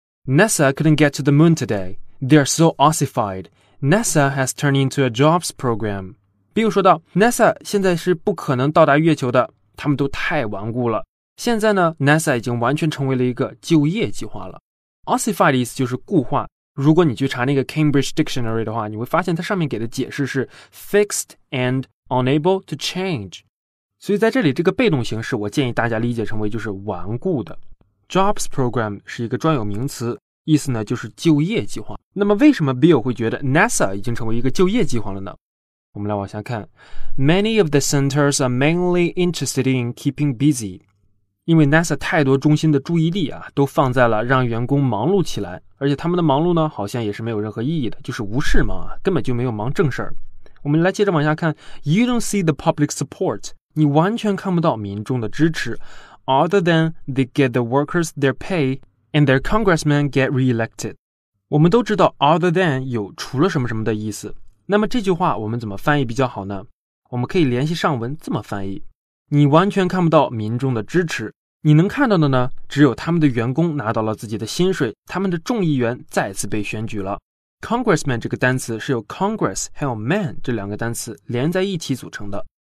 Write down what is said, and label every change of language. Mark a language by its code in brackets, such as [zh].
[en] NASA couldn't get to the moon today. They are so ossified. NASA has turned into a jobs program. [zh] Bill 说道 NASA 现在是不可能到达月球的，他们都太顽固了。现在呢 NASA 已经完全成为了一个就业计划了。 Ossify 的意思就是固化，如果你去查那个 Cambridge Dictionary 的话，你会发现它上面给的解释是 [en] Fixed and unable to change。 [zh] 所以在这里这个被动形式我建议大家理解成为就是顽固的。 Jobs Program 是一个专有名词，意思呢就是就业计划。那么为什么 Bill 会觉得 NASA 已经成为一个就业计划了呢？我们来往下看。 [en] Many of the centers are mainly interested in keeping busy， [zh] 因为 NASA 太多中心的注意力啊都放在了让员工忙碌起来，而且他们的忙碌呢好像也是没有任何意义的，就是无事忙啊，根本就没有忙正事儿。我们来接着往下看。 [en] You don't see the public support， [zh] 你完全看不到民众的支持。 [en] Other than they get the workers their payAnd their congressmen get re-elected. [zh] 我们都知道 other than 有除了什么什么的意思。那么这句话我们怎么翻译比较好呢？我们可以联系上文这么翻译。你完全看不到民众的支持。你能看到的呢，只有他们的员工拿到了自己的薪水，他们的众议员再次被选举了。 Congressman 这个单词是由 Congress 还有 man 这两个单词连在一起组成的。